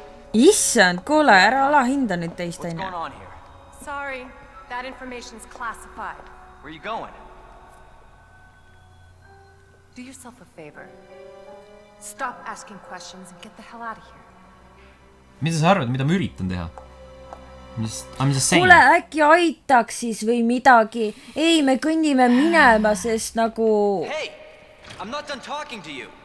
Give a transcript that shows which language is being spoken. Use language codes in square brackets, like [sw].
[et] Issand, kuule, ära ala hinda nüüd teist aine. [en] Sorry, that information's classified. Where you going? Do yourself a favor. Stop asking questions and get the hell out of here. [et] Mida sa arvad, mida ma üritan teha? Mis sa saying? Kuule, äkki aitaks siis või midagi. Ei, me kõnnime minema, sest nagu... [en] Hey, I'm not done talking to you.